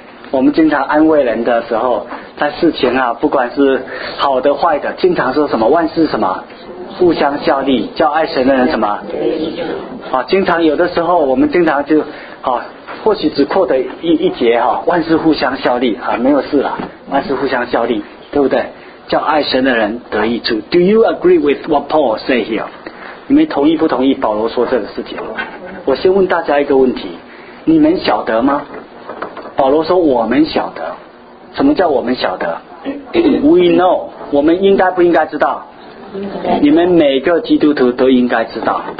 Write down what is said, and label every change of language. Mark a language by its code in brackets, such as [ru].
[zh] 我们经常安慰人的时候，在事情啊，不管是好的坏的，经常说什么万事什么互相效力，叫爱神的人什么经常有的时候我们经常就或许只扩得一节万事互相效力没有事了，万事互相效力，对不对？叫爱神的人得益处。 [en] Do you agree with what Paul say here? [zh] 你们同意不同意保罗说这个事情？我先问大家一个问题，你们晓得吗？保罗说我们晓得，什么叫我们晓得？ [en] We know， [zh] 我们应该不应该知道？你们每个基督徒都应该知道。